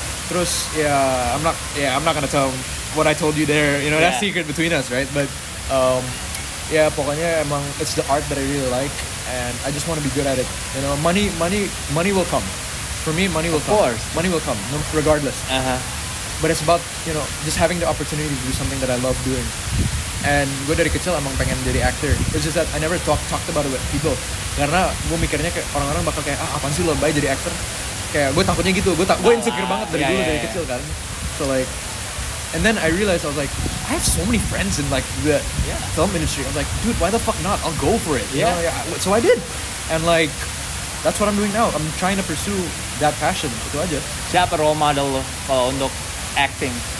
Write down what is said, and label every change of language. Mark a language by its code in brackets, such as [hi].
[id] Terus [en] I'm not gonna tell what I told you there, you know, that's secret between us, right? But Yeah, [id] pokoknya emang [en] it's the art that I really like, and I just want to be good at it. You know, money will come. For me, money will of come. Of course. Money will come, regardless. Uh-huh. But it's about, you know, just having the opportunity to do something that I love doing. And [id] gue dari kecil emang pengen jadi actor. [en] It's just that I never talked about it with people. [id] Karena gue mikirnya kayak orang-orang bakal kayak, ah apaan sih lo baik jadi actor? Kayak gue takutnya gitu, gue insecure banget dari dulu, dari kecil kan. [en] So like, and then I realized, I was like, I have so many friends in like the film industry. I was like, dude, why the fuck not? I'll go for it. Yeah. You know? So I did. And like, that's what I'm doing now. I'm trying to pursue that passion. [id] Itu aja. Siapa role model lo kalau untuk acting?